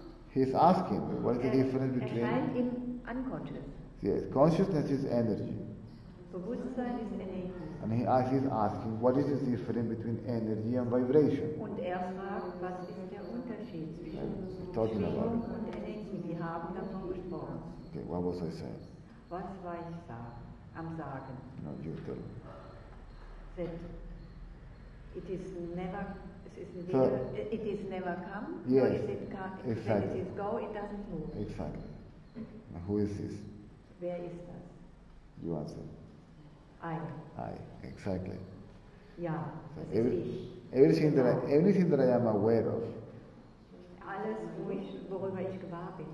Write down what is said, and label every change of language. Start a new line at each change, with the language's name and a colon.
English: He's asking, what is the difference between... unconscious. Yes, consciousness is energy. Bewusstsein is energy. And he asks, he's asking, what is the difference between energy and vibration?
German: Und fragt, was ist der Unterschied zwischen
English: we're talking about it.
German: Und Energie. Wir haben davon gesprochen.
English: Okay, what was I saying?
German: Was war ich da am Sagen?
English: No, you tell me. That it is never... So, it is never come, yes, or is it come, exactly. It is go, it doesn't move. Exactly. Now who is this? Where is that? You answer. I. Exactly. Yeah, so everything that I am aware of,
German: alles, worüber ich gewahr bin,